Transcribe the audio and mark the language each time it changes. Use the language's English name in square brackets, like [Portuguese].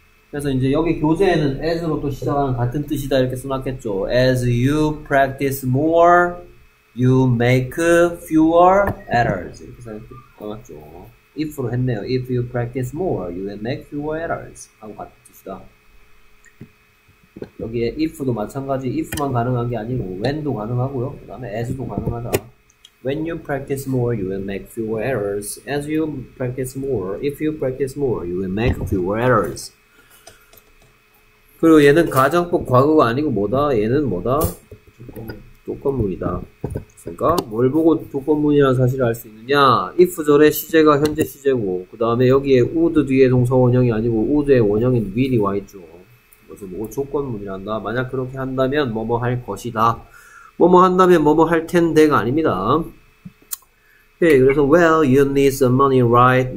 [Korean] 그래서 이제 여기 교재에는 as로 또 시작하는 같은 뜻이다 이렇게 써놨겠죠. [English] As you practice more, you make fewer errors. [Korean] 이렇게 써놨죠. If로 했네요. [English] If you practice more, you will make fewer errors. [Korean] 하고 같은 뜻이다. 여기에 if도 마찬가지 if만 가능한 게 아니고 when도 가능하고요. 그 다음에 as도 가능하다. [English] When you practice more, you will make fewer errors. As you practice more, if you practice more, you will make fewer errors. [Korean] 그리고 얘는 가정법 과거가 아니고 뭐다? 얘는 뭐다? 조건문이다. 그러니까 뭘 보고 조건문이라는 사실을 알 수 있느냐? if 절의 시제가 현재 시제고 그 다음에 여기에 would 뒤에 동사 원형이 아니고 would의 원형인 will이 와있죠. 그래서 뭐 조건문이란다. 만약 그렇게 한다면 뭐뭐 할 것이다. 뭐뭐 한다면 뭐뭐 할 텐데가 아닙니다. [English] 예, okay, 그래서 well, you need some money, right?